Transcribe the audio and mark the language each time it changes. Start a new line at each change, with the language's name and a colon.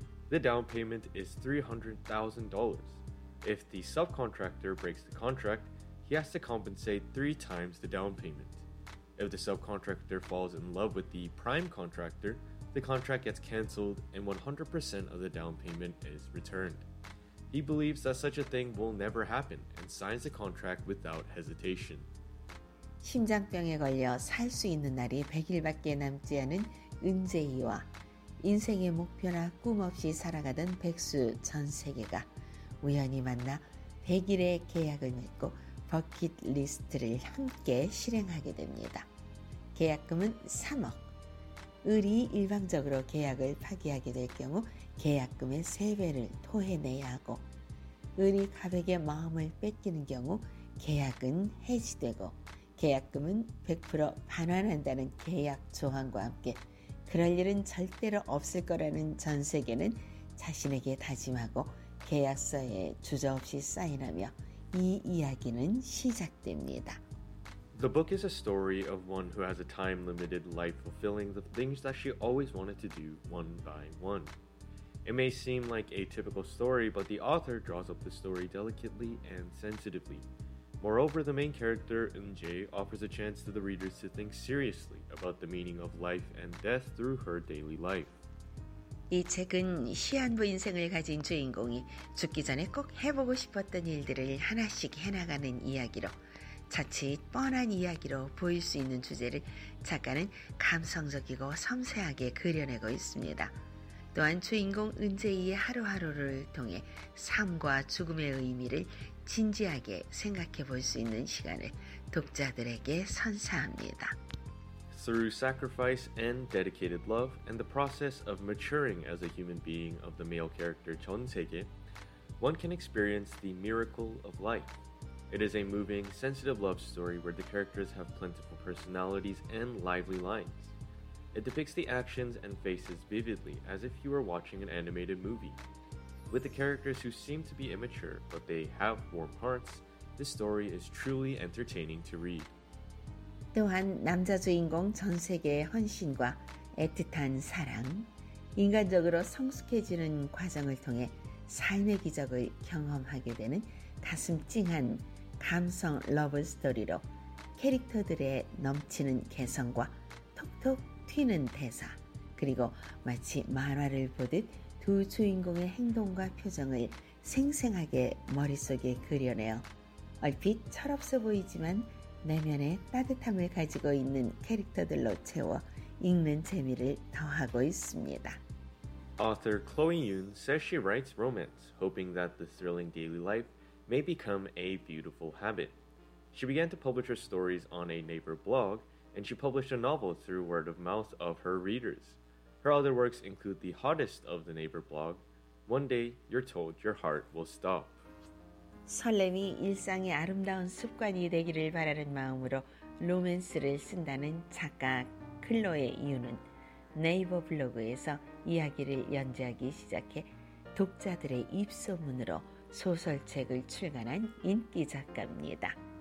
English: The down payment is $300,000. If the subcontractor breaks the contract, he has to compensate 3 times the down payment. If the subcontractor falls in love with the prime contractor, the contract gets cancelled and 100% of the down payment is returned. He believes that such a thing will never happen and signs the contract without hesitation.
Korean: 심장병에 걸려 살 수 있는 날이 100일밖에 남지 않은 은재희와 인생의 목표나 꿈 없이 살아가던 백수 전세계가 우연히 만나 100일의 계약을 맺고 버킷리스트를 함께 실행하게 됩니다. 계약금은 3억. 을이 일방적으로 계약을 파기하게 될 경우 계약금의 3배를 토해내야 하고 을이 갑에게 마음을 뺏기는 경우 계약은 해지되고 계약금은 100% 반환한다는 계약 조항과 함께 그럴 일은 절대로 없을 거라는 전세계는 자신에게 다짐하고 계약서에 주저없이 사인하며 이 이야기는 시작됩니다.
English: The book is a story of one who has a time-limited life fulfilling the things that she always wanted to do one by one. It may seem like a typical story, but the author draws up the story delicately and sensitively. Moreover, the main character, Eun-jae, offers a chance to the readers to think seriously about the meaning of life and death through her daily life.
Korean: 이 책은 시한부 인생을 가진 주인공이 죽기 전에 꼭 해보고 싶었던 일들을 하나씩 해나가는 이야기로 자칫 뻔한 이야기로 보일 수 있는 주제를 작가는 감성적이고 섬세하게 그려내고 있습니다. 또한 주인공 은재희의 하루하루를 통해 삶과 죽음의 의미를 진지하게 생각해 볼 수 있는 시간을 독자들에게 선사합니다.
English: Through sacrifice and dedicated love and the process of maturing as a human being of the male character 전세계, one can experience the miracle of life. It is a moving, sensitive love story where the characters have plentiful personalities and lively lines. It depicts the actions and faces vividly as if you were watching an animated movie. With the characters who seem to be immature, but they have warm hearts, this story is truly entertaining to read.
Korean: 또한 남자 주인공 전세계의 헌신과 애틋한 사랑, 인간적으로 성숙해지는 과정을 통해 삶의 기적을 경험하게 되는 가슴 찡한 감성 러브 스토리로 캐릭터들의 넘치는 개성과 톡톡 튀는 대사 그리고 마치 만화를 보듯 두 주인공의 행동과 표정을 생생하게 머릿속에 그려내어 얼핏 철없어 보이지만 내면의 따뜻함을 가지고 있는 캐릭터들로 채워 읽는 재미를 더하고 있습니다.
English: Author Chloe Yoon says she writes romance, hoping that the thrilling daily life may become a beautiful habit. She began to publish her stories on a neighbor blog, and she published a novel through word of mouth of her readers. Her other works include the hottest of the neighbor blog, One Day You're Told Your Heart Will Stop.
Korean: 설렘이 일상의 아름다운 습관이 되기를 바라는 마음으로 로맨스를 쓴다는 작가 클로의 이유는 네이버 블로그에서 이야기를 연재하기 시작해 독자들의 입소문으로 소설책을 출간한 인기 작가입니다.